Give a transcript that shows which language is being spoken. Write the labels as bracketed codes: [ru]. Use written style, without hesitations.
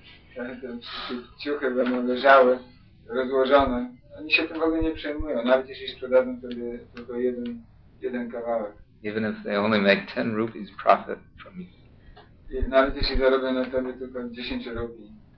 [pl] wszystkie ciuchy będą leżały rozłożone. Oni się tym w ogóle nie przejmują, nawet jeśli sprzedadzą sobie tylko jeden kawałek. [en] Even if they only make 10 rupees profit from you. [pl] I nawet jeśli zarobią na tobie tylko 10 rupii.